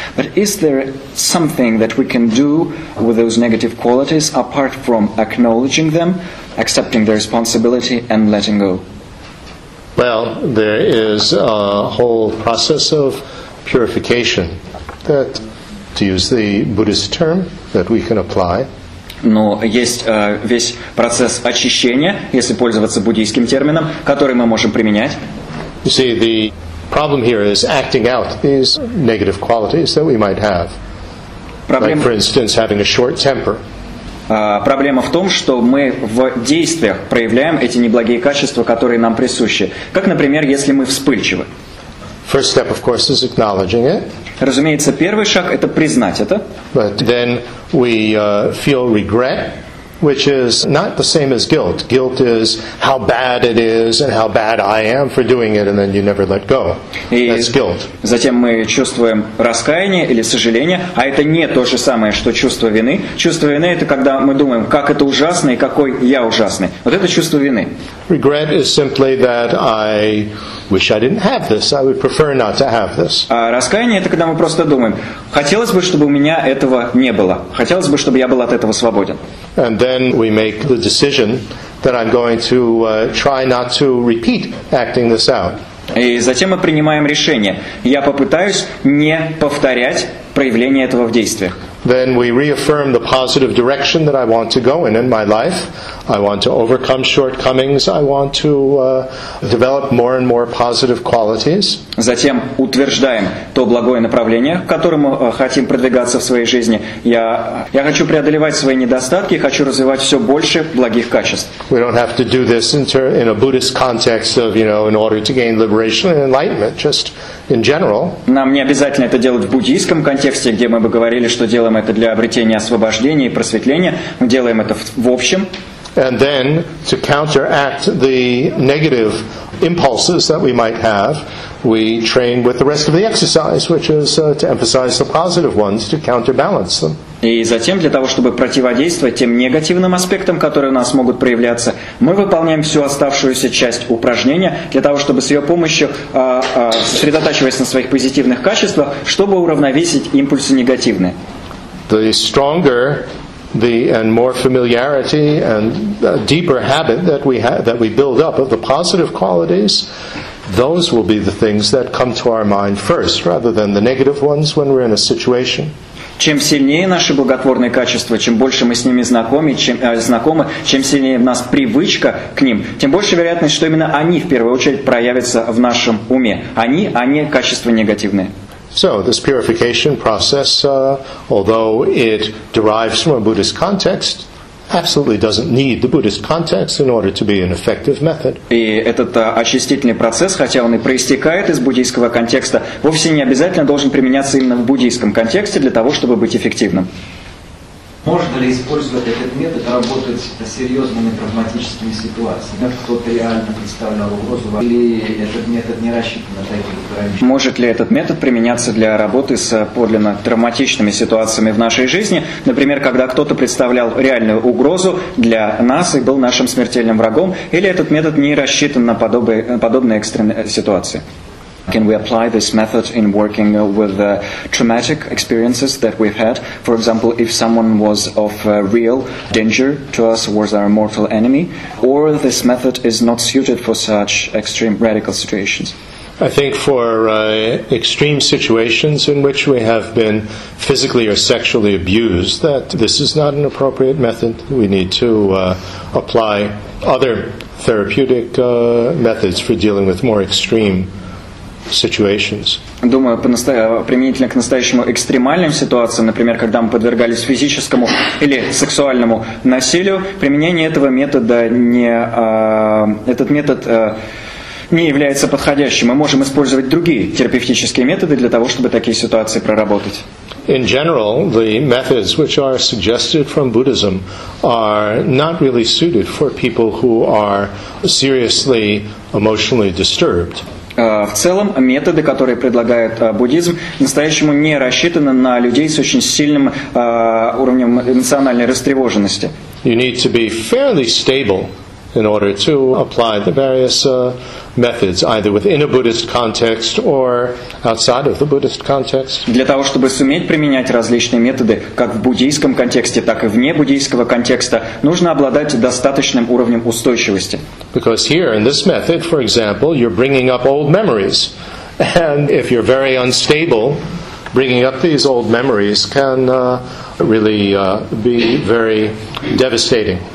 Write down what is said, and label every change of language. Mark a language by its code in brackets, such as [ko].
[en] But is there something that we can do with those negative qualities apart from acknowledging them, accepting the responsibility and letting go? Well, there is a whole process of purification that, to use the Buddhist term, that we can apply. [ru] Но есть весь процесс очищения, если пользоваться буддийским термином, который мы можем применять. [en] You see, the problem here is acting out these negative qualities that we might have. Like, for instance, having a short temper. [ru] Проблема в том, что мы в действиях проявляем эти неблагие качества, которые нам присущи. Как, например, если мы вспыльчивы. [en] First step, of course, is acknowledging it. [ru] Разумеется, первый шаг – это признать это. [en] But then we feel regret, which is not the same as guilt. Guilt is how bad it is and how bad I am for doing it, and then you never let go. That's guilt. [ru] Затем мы чувствуем раскаяние или сожаление, а это не то же самое, что чувство вины. Чувство вины – это когда мы думаем, как это ужасно и какой я ужасный. Вот это чувство вины. [en] Regret is simply that I wish I didn't have this. I would prefer not to have this. [ru] А раскаяние – это когда мы просто думаем, хотелось бы, чтобы у меня этого не было. Хотелось бы, чтобы я был от этого свободен. [en] And then we make the decision that I'm going to try not to repeat acting this out. [ru] И затем мы принимаем решение. Я попытаюсь не повторять проявление этого в действиях. [en] Then we reaffirm the positive direction that I want to go in my life. I want to overcome shortcomings. I want to develop more and more positive qualities. [ru] Затем утверждаем то благое направление, к которому хотим продвигаться в своей жизни. Я хочу преодолевать свои недостатки, хочу развивать все больше благих качеств. [en] We don't have to do this in a Buddhist context of, you know, in order to gain liberation and enlightenment, just in general. [ru] Нам не обязательно это делать в буддийском контексте, где мы бы говорили, что делаем это для обретения освобождения и просветления. Мы делаем это в общем. [en] And then to counteract the negative impulses that we might have, we train with the rest of the exercise, which is to emphasize the positive ones to counterbalance them. [ru] И затем для того, чтобы противодействовать тем негативным аспектам, которые у нас могут проявляться, мы выполняем всю оставшуюся часть упражнения для того, чтобы с ее помощью, сосредотачиваясь на своих позитивных качествах, чтобы уравновесить импульсы негативные. [en] The stronger the and more familiarity and deeper habit that we have, that we build up of the positive qualities, those will be the things that come to our mind first, rather than the negative ones when we're in a situation. [ru] Чем сильнее наши благотворные качества, чем больше мы с ними знакомы, чем сильнее в нас привычка к ним, тем больше вероятность, что именно они в первую очередь проявятся в нашем уме. Они, а не качества негативные. [en] So this purification process, although it derives from a Buddhist context, absolutely doesn't need the Buddhist context in order to be an effective method. [ru] И этот очистительный процесс, хотя он и проистекает из буддийского контекста, вовсе не обязательно должен применяться именно в буддийском контексте для того, чтобы быть эффективным. Можно ли использовать этот метод работать с серьезными травматическими ситуациями? Как кто-то реально представлял угрозу, или этот метод не рассчитан на такие ограничения? Может ли этот метод применяться для работы с подлинно травматичными ситуациями в нашей жизни? Например, когда кто-то представлял реальную угрозу для нас и был нашим смертельным врагом? Или этот метод не рассчитан на подобные экстренные ситуации? [en] Can we apply this method in working with the traumatic experiences that we've had? For example, if someone was of real danger to us, was our mortal enemy, or this method is not suited for such extreme radical situations? I think for extreme situations in which we have been physically or sexually abused, that this is not an appropriate method. We need to apply other therapeutic methods for dealing with more extreme situations. [ru] Думаю, применительно к настоящему экстремальным ситуациям, например, когда мы подвергались физическому или сексуальному насилию, применение этого метода не является подходящим. Мы можем использовать другие терапевтические методы для того, чтобы такие ситуации проработать. [en] In general, the methods which are suggested from Buddhism are not really suited for people who are seriously emotionally disturbed. [ru] В целом, методы, которые предлагает буддизм, настоящему не рассчитаны на людей с очень сильным уровнем эмоциональной растревоженности. [en] You need to be fairly stable in order to apply the various methods, either within a Buddhist context or outside of the Buddhist context. [ru] Для того, чтобы суметь применять различные методы как в буддийском контексте, так и вне буддийского контекста, нужно обладать достаточным уровнем устойчивости. [en] Because here, in this method, for example, you're bringing up old memories. And if you're very unstable, bringing up these old memories can really be very devastating.